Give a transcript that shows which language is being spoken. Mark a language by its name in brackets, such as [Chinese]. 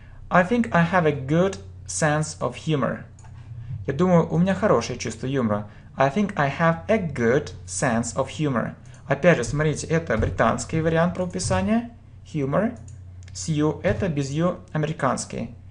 [English] I think I have a good sense of humor. [Russian] Я думаю, у меня хорошее чувство юмора. [English] I think I have a good sense of humor. [Russian] Опять же, смотрите, это британский вариант правописания. [English] Humor. [Russian] С ю, это без ю, американский.